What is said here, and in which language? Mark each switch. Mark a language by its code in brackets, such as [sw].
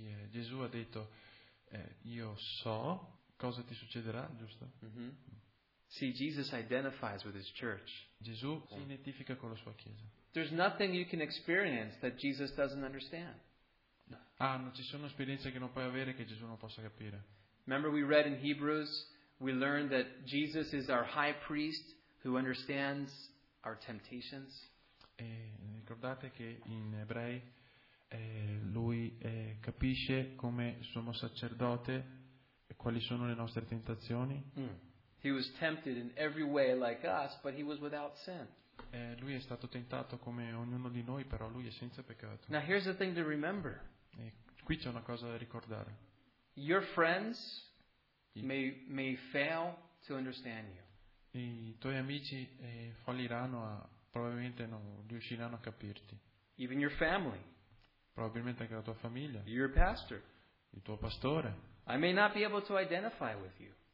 [it] Gesù ha detto, io so cosa ti succederà, giusto? Mm-hmm. [en] See, Jesus identifies with his church. [it] Gesù si identifica con la sua chiesa. [en] There's nothing you can experience that Jesus doesn't understand. [it] Ah, non ci sono esperienze che non puoi avere che Gesù non possa capire. [en] Remember we read in Hebrews, we learned that Jesus is our high priest who understands our temptations. [it] E ricordate che in Ebrei lui capisce come sommo sacerdote quali sono le nostre tentazioni. [en] He was tempted in every way like us, but he was without sin. [it] Lui è stato tentato come ognuno di noi, però lui è senza peccato. [en] Now here's the thing to remember. [it] E qui c'è una cosa da ricordare. [en] Your friends may fail to understand you. [it] I tuoi amici falliranno a probabilmente non riusciranno a capirti. [en] Even your family. [it] Probabilmente anche la tua famiglia. [en] Your pastor. [it] Il tuo pastore. [en] I may not be able to identify with you.